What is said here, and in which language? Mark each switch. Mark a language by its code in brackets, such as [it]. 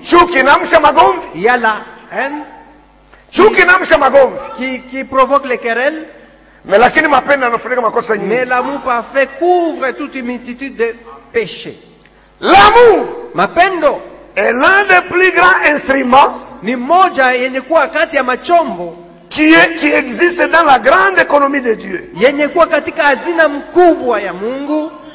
[fr] Il y a la haine qui provoque les querelles. Mais l'amour parfait couvre toute une multitude de péchés. L'amour, [sw] ma pendo, [fr] est l'un des plus grands instruments [sw] ni moja yenye kuwa kati ya machombo [fr] qui existe dans la grande économie de Dieu. [sw] Yenye kuwa katika hazina mkubwa ya Mungu.